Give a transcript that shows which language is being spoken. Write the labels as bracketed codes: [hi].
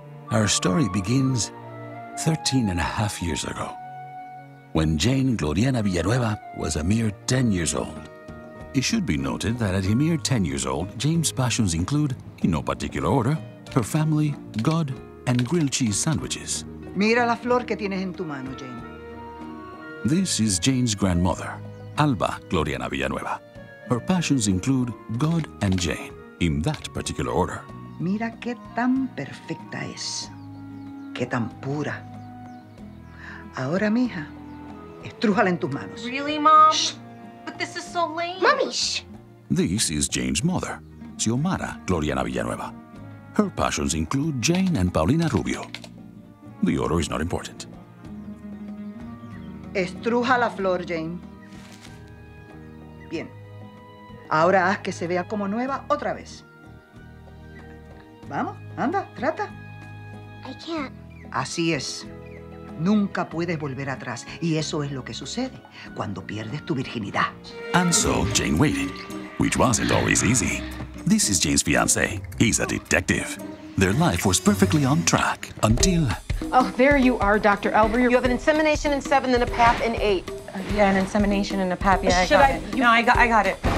[en] Our story begins 13 and a half years ago, when Jane Gloriana Villanueva was a mere 10 years old. It should be noted that at a mere 10 years old, Jane's passions include, in no particular order, her family, God, and grilled cheese sandwiches. [es] Mira la flor que tienes en tu mano, Jane. [en] This is Jane's grandmother, Alba Gloriana Villanueva. Her passions include God and Jane, in that particular order. [es] Mira qué tan perfecta es, qué tan pura. Ahora, mija, estrújala en tus manos. [en] Really, Mom? Shh. But this is so lame. Mommy, shh. This is Jane's mother, Xiomara Gloriana Villanueva. Her passions include Jane and Paulina Rubio. The order is not important. [es] Estruja la flor, Jane. Bien. Ahora haz que se vea como nueva otra vez. Vamos, anda, trata. [en] I can't. [es] Así es. Nunca puedes volver atrás. Y eso es lo que sucede cuando pierdes tu virginidad. [en] And so Jane waited, which wasn't always easy. This is Jane's fiancé. He's a detective. Their life was perfectly on track until... Oh, there you are, Dr. Elver. You have an insemination in 7, then a pap in 8. An insemination and a pap, I got it.